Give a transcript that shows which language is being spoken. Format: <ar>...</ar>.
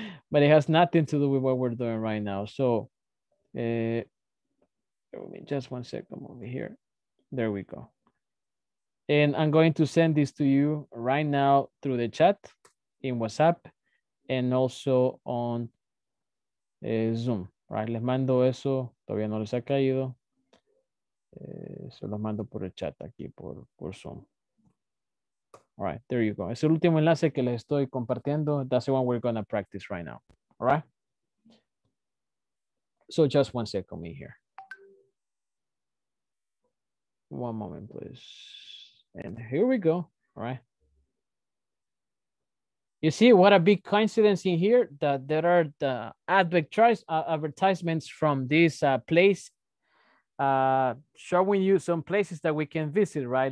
<en>But it has nothing to do with what we're doing right now. So, just 1 second over here. There we go. And I'm going to send this to you right now through the chat in WhatsApp and also on Zoom, right?</en> <es>Les mando eso, todavía no les ha caído. Se los mando por el chat aquí, por Zoom.</es> <en>All right, there you go.</en> <es>Es el último enlace que les estoy compartiendo.</es> <en>That's the one we're going to practice right now, all right? So just 1 second, me here. One moment, please. And here we go. All right. You see what a big coincidence in here that there are the advertisements from this place showing you some places that we can visit, right?</en>